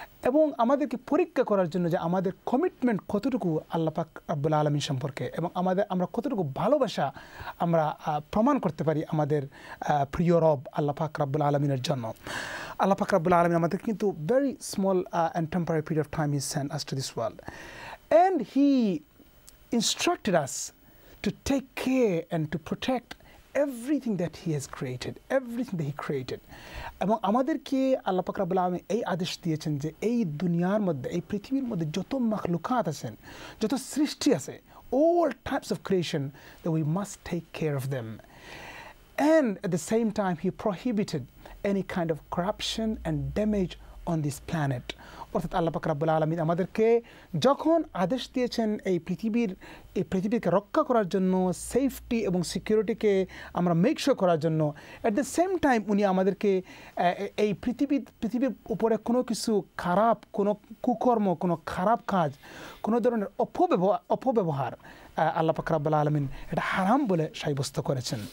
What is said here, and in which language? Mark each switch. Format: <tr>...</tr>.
<bn>এবং আমাদেরকে পরীক্ষা করার জন্য যে আমাদের কমিটমেন্ট কতটুকু আল্লাহ পাক রব্বুল আলামিন সম্পর্কে এবং আমাদের আমরা কতটুকু ভালোবাসা আমরা প্রমাণ করতে পারি আমাদের প্রিয় রব আল্লাহ পাক রব্বুল আলামিনের জন্য আল্লাহ পাক রব্বুল আলামিন আমাদের কিন্তু</bn> <en>Very small and temporary period of time he sent us to this world and he instructed us to take care and to protect everything that he has created, everything that he created.</en> <bn>এবং আমাদেরকে আল্লাহ পাক রাব্বুল আলামিন এই আদেশ দিয়েছেন যে এই দুনিয়ার মধ্যে এই পৃথিবীর মধ্যে যত মখলুকাত আছেন যত সৃষ্টি আছে</bn> <en>all types of creation that we must take care of them. And at the same time he prohibited any kind of corruption and damage on this planet.</en> <bn>অর্থাৎ আল্লাহ পাক রাব্বুল আলামিন আমাদেরকে যখন আদেশ দিয়েছেন এই পৃথিবীকে রক্ষা করার জন্য সেফটি এবং সিকিউরিটিকে আমরা মেক শিওর করার জন্য</bn> <en>at the same time</en> <bn>উনি আমাদেরকে এই পৃথিবীর উপরে কোনো কিছু খারাপ কোনো কুকর্ম কোনো খারাপ কাজ কোনো ধরনের অপব্যবহার আল্লাহ পাক রাব্বুল আলামিন এটা হারাম বলে সাব্যস্ত করেছেন</bn>